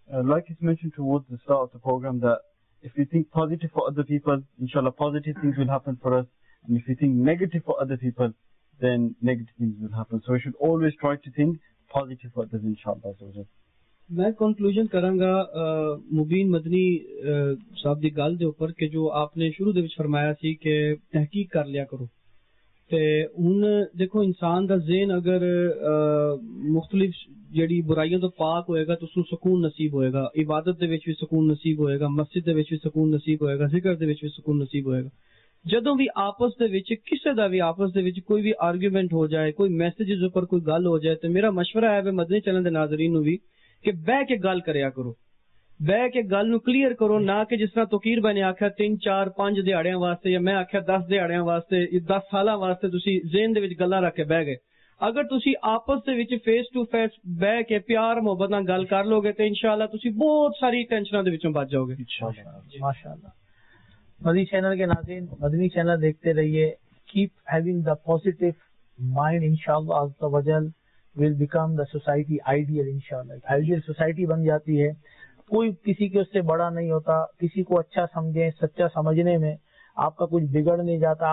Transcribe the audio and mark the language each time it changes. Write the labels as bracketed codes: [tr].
[en] Like it's mentioned towards the start of the program, that if you think positive for other people, inshallah positive things will happen for us, and if you think negative for other people, then negative things will happen. So we should always try to think positive for others, inshallah. [pa] میں conclusion کروں گا مبین مدنی صاحب دی گل دے اوپر, کہ جو آپ نے شروع دے وچ فرمایا سی کہ تحقیق کر لیا کرو, ہوں دیکھو انسان کا ذہن اگر مختلف جڑی برائیوں تو پاک ہوئے گا تو اس کو سکون نصیب ہوئے گا, عبادت دے وچ بھی سکون نصیب ہوئے گا, مسجد دے وچ بھی سکون نصیب ہوئے گا, ذکر دے وچ بھی سکون نصیب ہوئے گا. جدوں بھی آپس دے وچ کسے دا بھی آپس دے وچ کوئی بھی آرگیومنٹ ہو جائے, کوئی میسجز اوپر کوئی گل ہو جائے, تو میرا مشورہ ہے مدنی چلن دے ناظرین بھی کہ بہ کے گل کریا کرو, بہ کے گل نو کلیئر کرو, نہ کہ جس طرح توقیر بھائی نے آخیا تین چار پانچ دہاڑیاں واسطے, یا میں آخیا دس دہاڑیاں واسطے, دس سالاں واسطے تسی ذہن دے وچ گلاں رکھ کے بہ گئے. اگر تسی آپس دے وچ فیس ٹو فیس بہ کے پیار محبت نال گل کر لو گے تو ان شاء اللہ تسی بہت ساری ٹینشن دے وچوں بچ جاؤ گے. ماشاء اللہ. [ur] مدنی چینل کے ناظرین مدنی چینل دیکھتے رہیے, [en] keep having the positive mind, [ur] ان شاء اللہ عز و جل [en] will become the society ideal, [ur] ان شاء اللہ آئیڈیل سوسائٹی بن جاتی ہے, کوئی کسی کے اس سے بڑا نہیں ہوتا, کسی کو اچھا سمجھے سچا سمجھنے میں آپ کا کچھ بگڑ نہیں جاتا.